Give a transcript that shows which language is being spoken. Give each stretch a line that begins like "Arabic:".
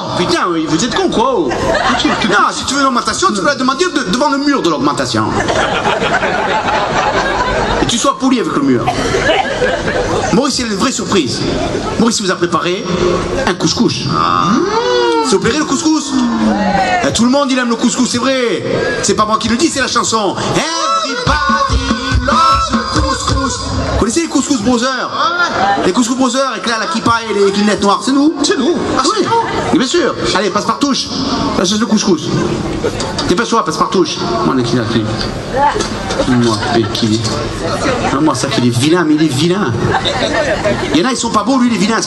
French: Putain, vous êtes con quoi. Non, si tu veux une augmentation, tu peux la demander devant le mur de l'augmentation. Et tu sois poli avec le mur. Maurice, il a une vraie surprise. Maurice vous a préparé un couscous. S'il vous plaît, le couscous. Tout le monde, il aime le couscous, c'est vrai. C'est pas moi qui le dis, c'est la chanson.
English: Everybody loves the couscous.
French: Vous connaissez les couscous brothers? Les couscous brothers avec la kippa et les lunettes noires, c'est nous. C'est nous. Ah, oui. C'est nous. Bien sûr. Allez, passe par touche. La chasse de couscous. Dépêche-toi, passe par touche. Moi, le kidnappé. Moi, Béquille. Moi, ça, il est vilain, mais il est vilain. Il y en a, ils sont pas beaux, lui, il est vilain.